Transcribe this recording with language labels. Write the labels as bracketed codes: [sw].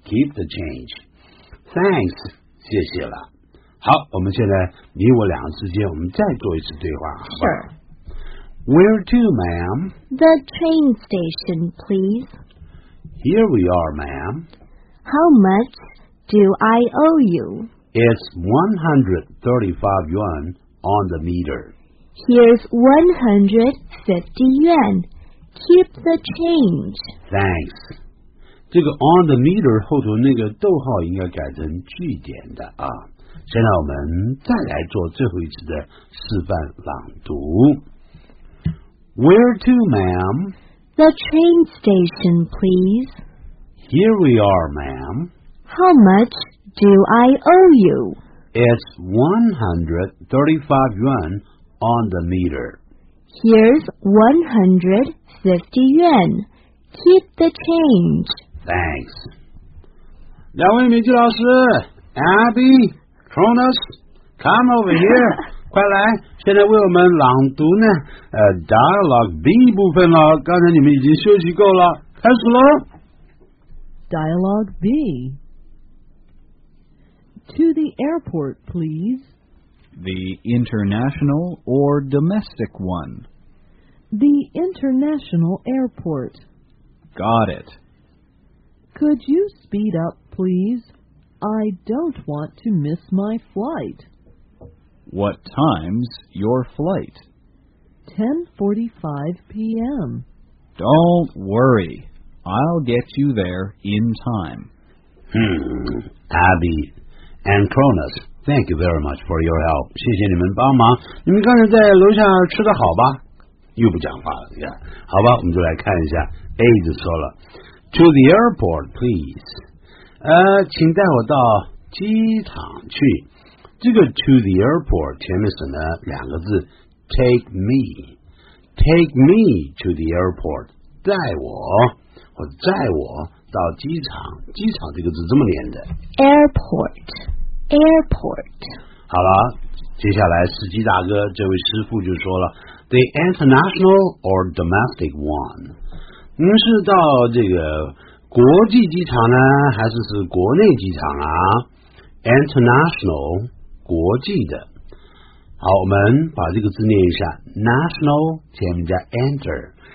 [en] keep the change， thanks， [zh] 谢谢了。好，我们现在你我两个之间，我们再做一次对话，好吧？ [en] Sure. Where to, ma'am? The train station, please. Here we are, ma'am. How much do I owe you? It's 135 yuan on the meter. Here's 150 yuan. Keep the change. Thanks. [zh] 这个 [en] on the meter [zh] 后头那个逗号应该改成句点的啊。现在我们再来做最后一次的示范朗读。 [en] Where to, ma'am? The train station, please. Here we are, ma'am. How much? Do I owe you? It's 135 yuan on the meter. Here's 150 yuan. Keep the change. Thanks. [zh] 两位美籍老师 [en] Abby, Cronus, come over here. [zh] 快来，现在为我们朗读呢Dialogue B 部分了，刚才你们已经休息够了，开始咯。 [en] Dialogue B To the airport, please. The international or domestic one? The international airport. Got it. Could you speed up, please? I don't want to miss my flight. What time's your flight? 10:45 p.m. Don't worry. I'll get you there in time. Abby and Cronus, thank you very much for your help. [zh] 谢谢你们帮忙。你们刚才在楼下吃得好吧？又不讲话了，你看。好吧，我们就来看一下。 [en] A [zh] 就说了 [en] ,To the airport, please. [zh] 请带我到机场去。这个 [en] to the airport [zh] 前面省了两个字 , [en] take me. Take me to the airport, [zh] 带我。或者载我到机场，机场这个字这么念的 [en] ，airport。 [zh] 好了，接下来司机大哥这位师傅就说了 ， [en] the international or domestic one， [zh] 您是到这个国际机场呢，还是是国内机场啊 ？international 国际的，好，我们把这个字念一下 ，national 前面加 enter。